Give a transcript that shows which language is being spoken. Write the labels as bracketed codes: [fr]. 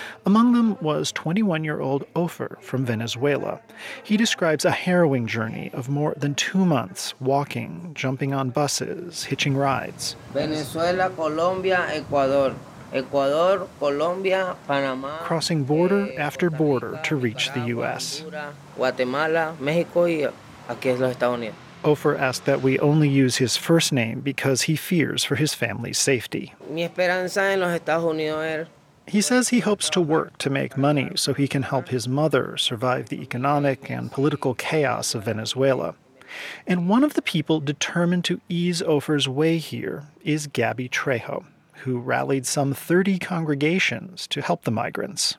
[en] Among them was 21-year-old Ofer from Venezuela. He describes a harrowing journey of more than 2 months walking, jumping on buses, hitching rides. Venezuela, Colombia, Ecuador. Ecuador, Colombia, Panama. Crossing border after border to reach the U.S. [es] Guatemala, Mexico, y aquí es los Estados Unidos. [en] Ofer asked that we only use his first name because he fears for his family's safety. He says he hopes to work to make money so he can help his mother survive the economic and political chaos of Venezuela. And one of the people determined to ease Ofer's way here is Gabby Trejo, who rallied some 30 congregations to help the migrants.